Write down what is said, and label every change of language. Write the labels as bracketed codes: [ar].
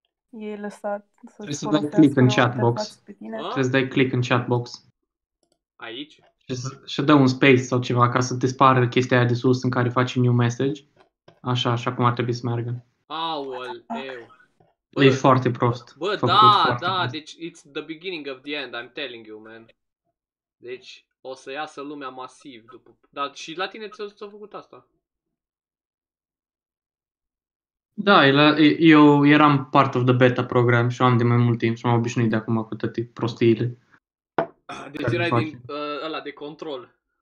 [ro] E lăsat să dai click în chatbox. Trebuie să dai click în chatbox. Aici? Și dă un space sau ceva ca să dispară chestia aia de sus în care faci new message. Așa, așa cum ar trebui să meargă. Aoleu. E foarte prost. Bă, da, deci [en] it's the beginning of the end, I'm telling you, man. [ro] Deci o să iasă lumea masiv după. Dar și la tine ți-a făcut asta? Da, eu eram [en] part of the beta program [ro] și am de mai mult timp și m-am obișnuit de acum cu toate prostiile. Deci erai din ăla de control.